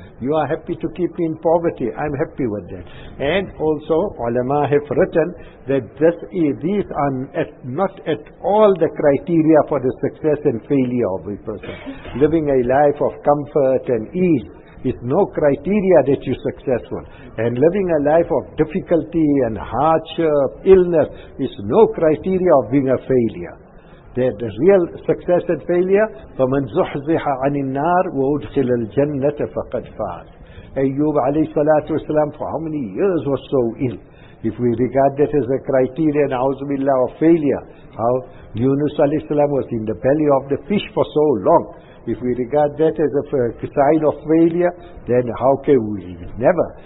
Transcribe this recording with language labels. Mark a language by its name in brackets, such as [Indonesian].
[English] You are happy to keep me in poverty. I'm happy with that. And also, ulama have written that these are not at all the criteria for the success and failure of a person. Living a life of comfort and ease is no criteria that you're successful. And living a life of difficulty and hardship, illness, is no criteria of being a failure. the real success and failure, [Arabic] فمن زحزح عن النار وادخل الجنة فقد فاز. [English] Ayyub alayhi salatu wasalam, for how many years was so ill? If we regard that as a criteria, a'udhu billah, of failure, how Yunus alayhi salam was in the belly of the fish for so long. If we regard that as a sign of failure, then how can we never?